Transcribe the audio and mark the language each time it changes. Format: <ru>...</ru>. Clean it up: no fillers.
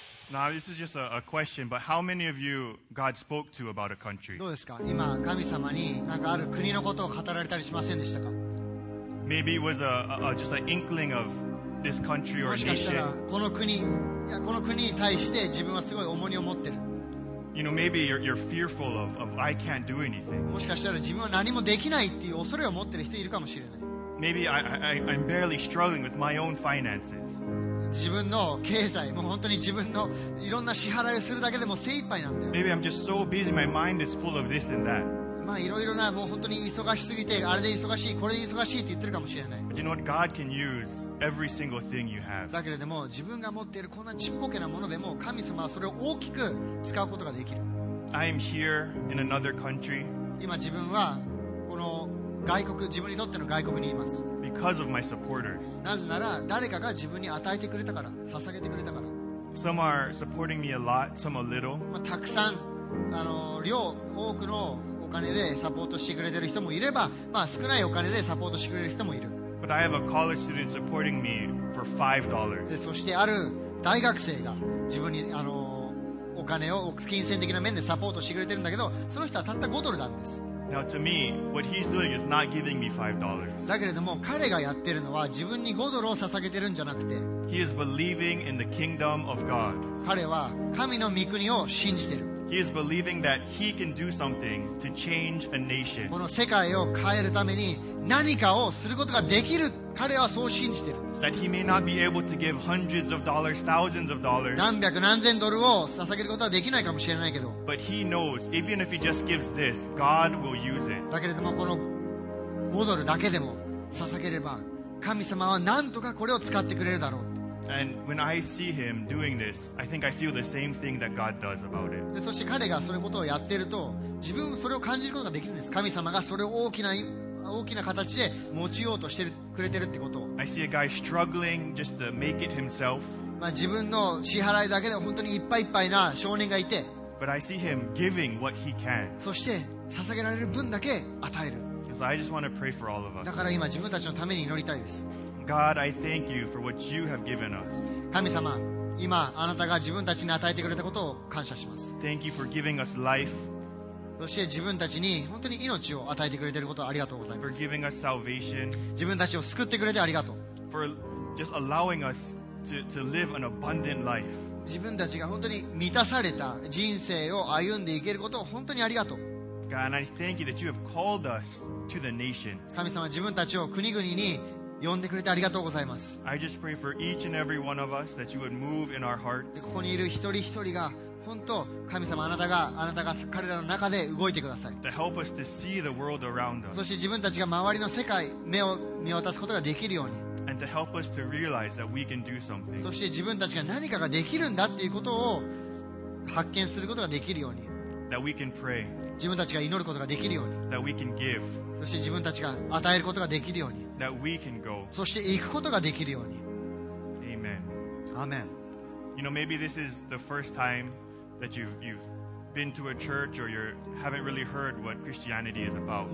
<en>Now, this is just a question, but how many of you God spoke to about a country?</en> <ja>どうですか? 今、神様になんかある国のことを語られたりしませんでしたか?</ja> <en>Maybe it was just an inkling of this country or nation.</en> <ja>もしかしたら、この国、いや、この国に対して自分はすごい重荷を持ってる。</ja> <en>You know, maybe you're fearful of I can't do anything.</en> <ja>もしかしたら自分は何もできないっていう恐れを持ってる人いるかもしれない。</ja> <en>Maybe I'm barely struggling with my own finances.</en> <ja>自分の経済、もう本当に自分のいろんな支払いをするだけでも精一杯なんだよ。</ja> <en>Maybe I'm just so busy, my mind is full of this and that.</en> <ja>まあいろいろな、もう本当に忙しすぎて、あれで忙しい、これで忙しいって言ってるかもしれない。</ja> <en>But you know what? God can use every single thing you have.</en> <ja>だけれども、自分が持っているこんなちっぽけなものでも、神様はそれを大きく使うことができる。</ja> <en>I'm here in another country.</en> <ja>今自分はこの外国、自分にとっての外国にいます。</ja> <en>Because of my supporters.</en> <ja>なぜなら誰かが自分に与えてくれたから、捧げてくれたから。</ja> <en>Some are supporting me a lot, some a little.</en> <ja>まあたくさん、量、多くのお金でサポートしてくれてる人もいれば、まあ少ないお金でサポートしてくれる人もいる。</ja> <en>But I have a college student supporting me for $5.</en> <ja>で、そしてある大学生が自分に、お金を金銭的な面でサポートしてくれてるんだけど、その人はたった5ドルなんです。</ja> <en>Now to me, what he's doing is not giving me $5.</en> <ja>だけれども彼がやってるのは自分に5ドルを捧げてるんじゃなくて、</ja> <en>he is believing in the kingdom of God.</en> <ja>彼は神の御国を信じてる。</ja> <en>He is believing that he can do something to change a nation.</en> <ja>この世界を変えるために何かをすることができる。彼はそう信じてる。</ja> <en>That he may not be able to give hundreds of dollars, thousands of dollars.</en> <ja>何百何千ドルを捧げることはできないかもしれないけど。</ja> <en>But he knows, even if he just gives this, God will use it.</en> <ja>だけれどもこの5ドルだけでも捧げれば、神様は何とかこれを使ってくれるだろう。</ja> <en>And when I see him doing this, I think I feel the same thing that God does about it.</en> <ja>そして彼がそのことをやっていると、自分もそれを感じることができるんです。神様がそれを大きな形で持ちようとしてくれてるってこと。</ja> <en>I see a guy struggling just to make it himself.</en> <ja>まあ自分の支払いだけで本当にいっぱいいっぱいな少年がいて。</ja> <en>But I see him giving what he can.</en> <ja>そして捧げられる分だけ与える。</ja> <en>So I just want to pray for all of us.</en> <ja>だから今自分たちのために祈りたいです。</ja> <en>God, I thank you for what you have given us.</en> <ja>神様、今あなたが自分たちに与えてくれたことを感謝します。</ja> <en>Thank you for giving us life.</en> <ja>そして自分たちに本当に命を与えてくれていることをありがとうございます。</ja> <en>For giving us salvation.</en> <ja>自分たちを救ってくれてありがとう。</ja> <en>For just allowing us to live an abundant life.</en> <ja>自分たちが本当に満たされた人生を歩んでいけることを本当にありがとう。</ja> <en>God, I thank you that you have called us to the nation.</en> <ja>神様、自分たちを国々に呼んでくれてありがとうございます。</ja> <en>I just pray for each and every one of us that you would move in our hearts.</en> <ja>ここにいる一人一人が本当、神様あなたが彼らの中で動いてください。</ja> <en>To help us to see the world around us.</en> <ja>そして自分たちが周りの世界、目を見渡すことができるように。</ja> <en>And to help us to realize that we can do something.</en> <ja>そして自分たちが何かができるんだっていうことを発見することができるように。</ja> <en>That we can pray.</en> <ja>自分たちが祈ることができるように。</ja> <en>That we can give.</en> <ja>そして自分たちが与えることができるように。</ja> <en>That we can go.</en> <ja>そして行くことができるように。</ja> <en>Amen. Amen. You know, maybe this is the first time that you've been to a church or you haven't really heard what Christianity is about.</en>